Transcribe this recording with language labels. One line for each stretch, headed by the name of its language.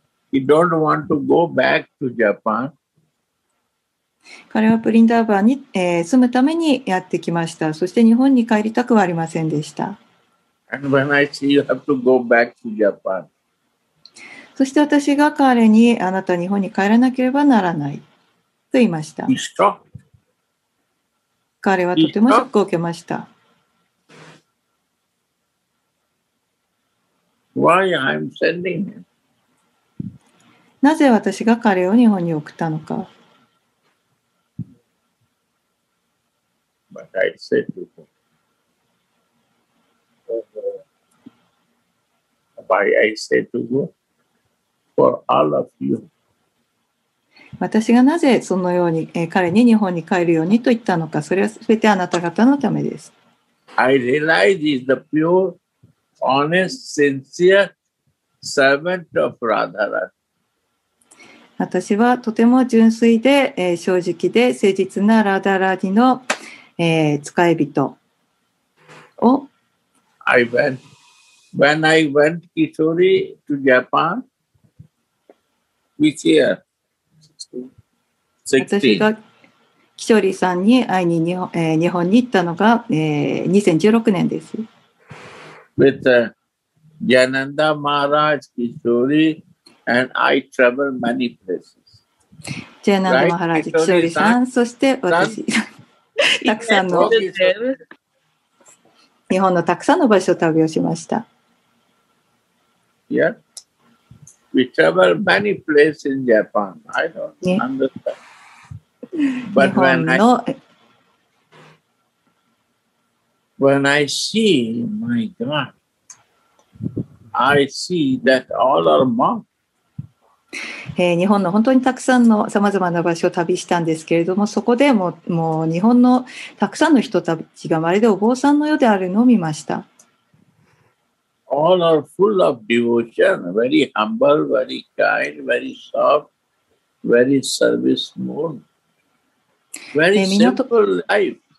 English: He don't want to go back to Japan.
Japanese: 彼はブリンダーバンに、住むためにやってきました。そして日本に帰りたくはありませんでした。
English: And when I see you have to go back to Japan.
Japanese: そして私が彼にあなた日本に帰らなければならないと言いました。
English: He stopped.
Japanese: 彼はとてもショックを受けました。
English: Why I'm sending him?
Japanese: なぜ私が彼を日本に送ったのか。
English: But I said to him, why I said to him, for all of you.
Japanese: 私がなぜそのように彼に日本に帰るようにと言ったのか、それはすべてあなた方のためです。
English: I realize he's the pure, honest, sincere servant of Radharani.
Japanese: 私はとても純粋で、正直で誠実なラダラニの、使い人を。
English: I went. When I went Kishori to Japan, which year? 16.
Japanese: 私がキショリさんに会いに日本、日本に行ったのが、2016年です。
English: With Jananda Maharaj Kishori. And I travel many places.
Japanese: ジェナンド・マハラジ・キショリさん、そして私、たくさんの日本のたくさんの場所を旅をしました。
English: Yeah. We travel many places in Japan. I don't understand. But when I see, my God, I see that all are monks.
Japanese: 日本の本当にたくさんのさまざまな場所を旅したんですけれども、そこでもう日本のたくさんの人たちがまるでお坊さんのようであるのを見ました。
English: All are full of devotion, very humble, very kind, very soft, very service mode, very simple life.